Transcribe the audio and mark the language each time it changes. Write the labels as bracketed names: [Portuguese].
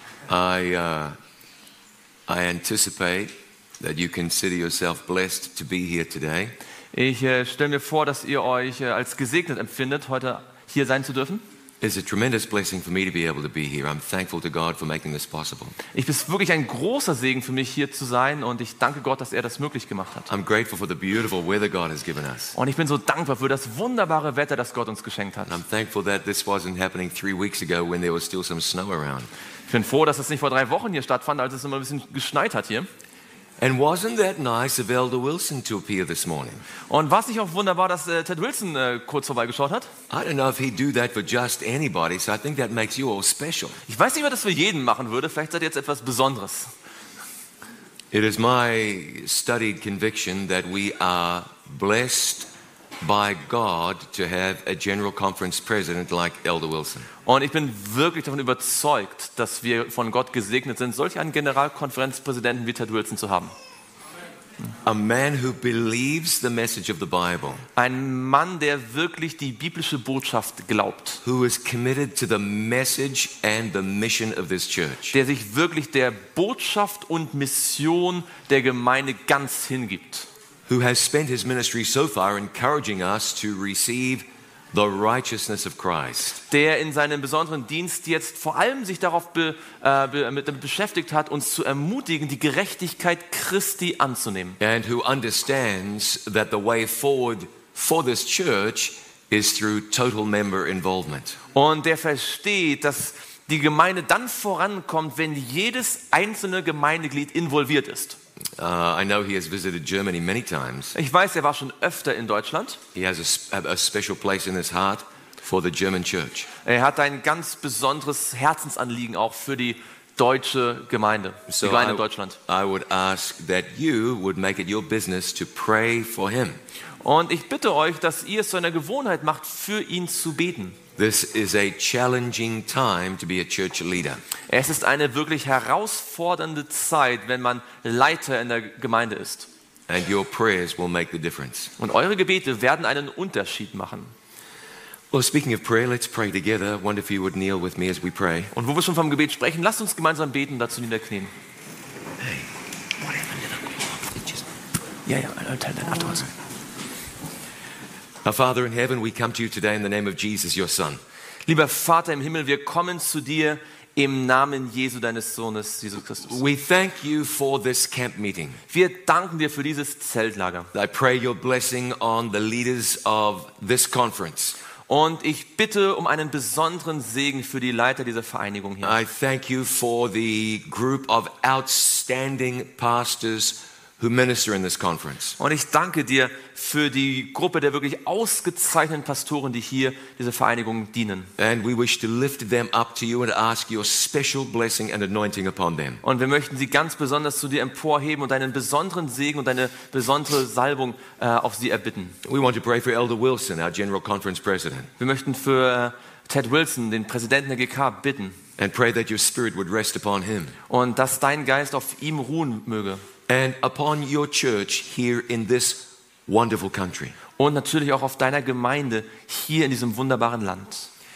[English] I anticipate that you consider yourself blessed to be here today. [German] Ich stelle mir vor, dass ihr euch als gesegnet empfindet, heute hier sein zu dürfen. [English] It's a tremendous blessing for me to be able to be here. I'm thankful to God for making this possible. [German] Ich bin wirklich ein großer Segen für mich hier zu sein und ich danke Gott, dass er das möglich gemacht hat. [English] I'm grateful for the beautiful weather God has given us. [German] Und ich bin so dankbar für das wunderbare Wetter, das Gott uns geschenkt hat. [English] And I'm thankful that this wasn't happening 3 weeks ago when there was still some snow around. [German] Ich bin froh, dass das nicht vor 3 Wochen hier stattfand, als es immer ein bisschen geschneit hat hier. [English] And wasn't that nice of Elder Wilson to appear this morning? [German] Und war es nicht auch wunderbar, dass Ted Wilson kurz vorbeigeschaut hat? [English] I don't know if he'd do that for just anybody, so I think that makes you all special. [German] Ich weiß nicht, ob er das für jeden machen würde. Vielleicht seid ihr jetzt etwas Besonderes. [English] It is my studied conviction that we are blessed by God to have a general conference president like Elder Wilson. [German] Und ich bin wirklich davon überzeugt, dass wir von Gott gesegnet sind, solch einen Generalkonferenzpräsidenten wie Ted Wilson zu haben. [English] A man who believes the message of the Bible. [German] Ein Mann, der wirklich die biblische Botschaft glaubt. [English] Who is committed to the message and the mission of this church. [German] Der sich wirklich der Botschaft und Mission der Gemeinde ganz hingibt. [English] Who has spent his ministry so far encouraging us to receive the righteousness of Christ. [German] Der in seinem besonderen Dienst jetzt vor allem sich darauf damit beschäftigt hat, uns zu ermutigen, die Gerechtigkeit Christi anzunehmen. [English] And who understands that the way forward for this church is through total member involvement. [German] Und der versteht, dass die Gemeinde dann vorankommt, wenn jedes einzelne Gemeindeglied involviert ist. [English] I know he has visited Germany many times. [German] Ich weiß, er war schon öfter in Deutschland. [English] He has a special place in his heart for the German church. [German] Er hat ein ganz besonderes Herzensanliegen auch für die deutsche Gemeinde, so die Gemeinde in Deutschland. [English] I would ask that you would make it your business to pray for him. [German] Und ich bitte euch, dass ihr es zu einer Gewohnheit macht, für ihn zu beten. [English] This is a challenging time to be a church leader. [German] Es ist eine wirklich herausfordernde Zeit, wenn man Leiter in der Gemeinde ist. [English] And your prayers will make the difference. [German] Und eure Gebete werden einen Unterschied machen. [English] Well, speaking of prayer, let's pray together. I wonder if you would kneel with me as we pray. [German] Und wo wir schon vom Gebet sprechen, lasst uns gemeinsam beten, dazu niederknien. [English] Hey, whatever. Yeah, yeah, I'll tell that afterwards. Our Father in heaven, we come to you today in the name of Jesus, your Son. [German] Lieber Vater im Himmel, wir kommen zu dir im Namen Jesu, deines Sohnes, Jesus Christus. [English] We thank you for this camp meeting. [German] Wir danken dir für dieses Zeltlager. [English] I pray your blessing on the leaders of this conference. [German] Und ich bitte um einen besonderen Segen für die Leiter dieser Vereinigung hier. [English] I thank you for the group of outstanding pastors who minister in this conference. [German] Und ich danke dir für die Gruppe der wirklich ausgezeichneten Pastoren, die hier dieser Vereinigung dienen. [English] And we wish to lift them up to you and ask your special blessing and anointing upon them. [German] Und wir möchten sie ganz besonders zu dir emporheben und deinen besonderen Segen und deine besondere Salbung auf sie erbitten. [English] We want to pray for Elder Wilson, our General Conference President. [German] Wir möchten für Ted Wilson, den Präsidenten der GK, bitten. [English] And pray that your spirit would rest upon him. [German] Und dass dein Geist auf ihm ruhen möge. [English] And upon your church here in this wonderful country. [German] Und natürlich auch auf deiner Gemeinde hier in diesem wunderbaren Land.